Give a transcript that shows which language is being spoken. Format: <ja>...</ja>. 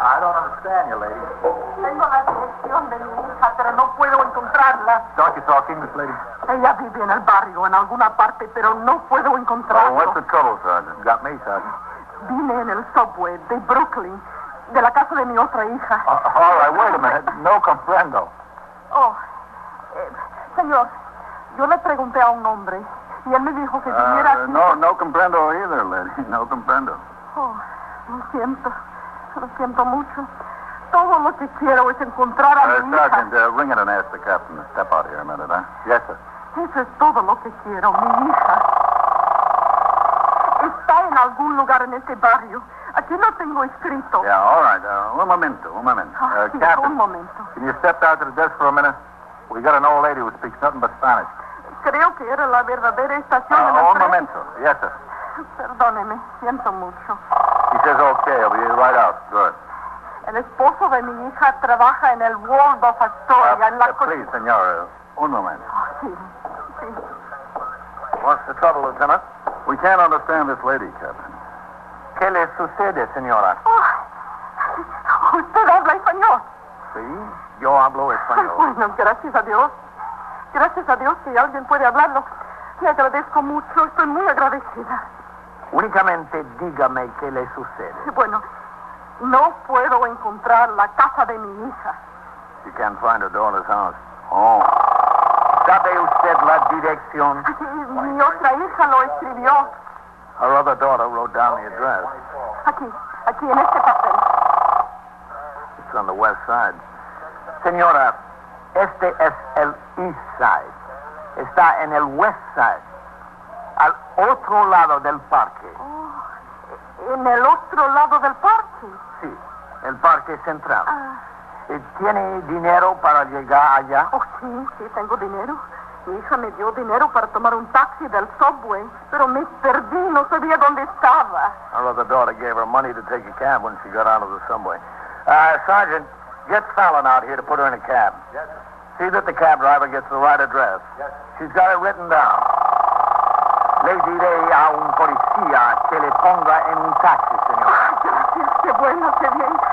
<en>I don't understand you, lady.</en> <es>Tengo la dirección de mi hija, pero no puedo encontrarla.</es> <en>Don't you talk English, lady?</en> <es>Ella vive en el barrio, en alguna parte, pero no puedo encontrarla.</es> <en>Oh, what's the trouble, Sergeant? Got me, Sergeant.</en> <es>Vine en el subway de Brooklyn, de la casa de mi otra hija.</es> <en>All right, wait a minute.</en> <es>No comprendo. Oh, señor, yo le pregunté a un hombre, y él me dijo que viniera aquí. No comprendo</es> <en>either, lady.</en> <es>No comprendo. Oh, lo siento mucho. Todo lo que quiero es encontrar a mi</es> <en>Sergeant, Sergeant, ring it and ask the captain to step out here a minute, huh? Yes, sir.</en> <es>Eso es todo lo que quiero, mi hija. Está en algún lugar en este barrio. Aquí no tengo escrito.</es> <en>Yeah, all right.</en> <es>Un momento. Captain, un momento.</es> <en>Can you step out to the desk for a minute? We got an old lady who speaks nothing but Spanish.</en> <es>Creo que era la verdadera estación. Un momento.</es> <en>Yes, sir.</en> <es>Perdóneme. Siento mucho.</es> <en>He says okay. He'll be right out. Good.</en> <es>El esposo de mi hija trabaja en el Waldorf Astoria. Please, señor. Un momento. Sí.</es> <en>What's the trouble, Lieutenant? We can't understand this lady, Captain.</en> <es>¿Qué le sucede, señora? Oh, usted habla español. Sí, yo hablo español. Bueno, gracias a Dios. Gracias a Dios que alguien puede hablarlo. Le agradezco mucho, estoy muy agradecida. Únicamente dígame qué le sucede. Bueno, no puedo encontrar la casa de mi hija.</es> <en>You can't find her daughter's house. Oh.</en> <es>¿Sabe usted la dirección? Mi otra hija lo escribió.</es> <en>Her other daughter wrote down the address.</en> <es>Aquí. Aquí, en este papel.</es> <en>It's on the west side.</en> <es>Señora, este es el east side. Está en el west side. Al otro lado del parque. Oh, en el otro lado del parque. Sí, el parque central. ¿Tiene dinero para llegar allá? Oh, sí, sí, tengo dinero. Mi hija me dio dinero para tomar un taxi del subway, pero me perdí, no sabía dónde estaba.</es> <en>Her other daughter gave her money to take a cab when she got out of the subway. Sergeant, get Fallon out here to put her in a cab. Yes, sir. See that the cab driver gets the right address. Yes, sir. She's got it written down.</en> <es>Le diré a un policía que le ponga en un taxi, señor. Ah, gracias, qué bueno, qué bien.</es>